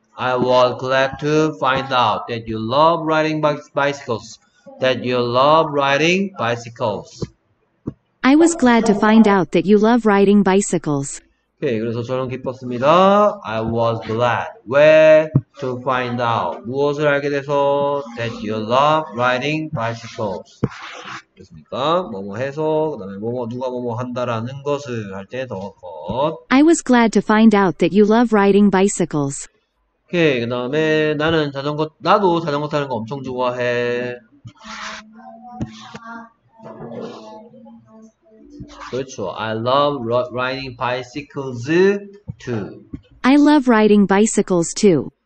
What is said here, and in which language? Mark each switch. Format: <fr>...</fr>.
<en>I was glad to find out that you love riding bicycles. That you love riding bicycles. I was glad to find out that you love riding bicycles. 오케이.</en> <ko>그래서 저는 기뻤습니다.</ko> <en>I was glad.</en> <ko>왜?</ko> <en>To find out.</en> <ko>무엇을 알게 돼서?</ko> <en>That you love riding bicycles.</en> <ko>그렇습니까? 뭐뭐 해서, 그 다음에 뭐뭐, 누가 뭐뭐 한다라는 것을 할때더 컷.</ko> <en>I was glad to find out that you love riding bicycles. 오케이.</en> <ko>그 다음에 나도 자전거 타는 거 엄청 좋아해. 그렇죠.</ko> <en>I love riding bicycles too. I love riding bicycles too.</en>